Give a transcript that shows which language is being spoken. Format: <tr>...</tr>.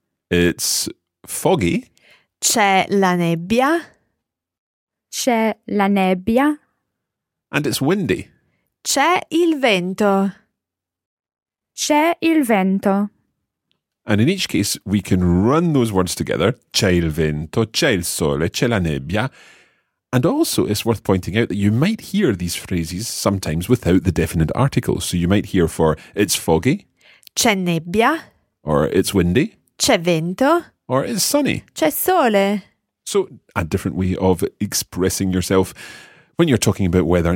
<en>It's foggy.</en> <it>C'è la nebbia. C'è la nebbia.</it> <en>And it's windy.</en> <it>C'è il vento. C'è il vento.</it> <en>And in each case, we can run those words together.</en> <it>C'è il vento, c'è il sole, c'è la nebbia.</it> <en>And also, it's worth pointing out that you might hear these phrases sometimes without the definite article. So you might hear for it's foggy.</en> <it>C'è nebbia.</it> <en>Or it's windy.</en> <it>C'è vento.</it> <en>Or it's sunny.</en> <it>C'è sole.</it> <en>So a different way of expressing yourself when you're talking about weather.</en>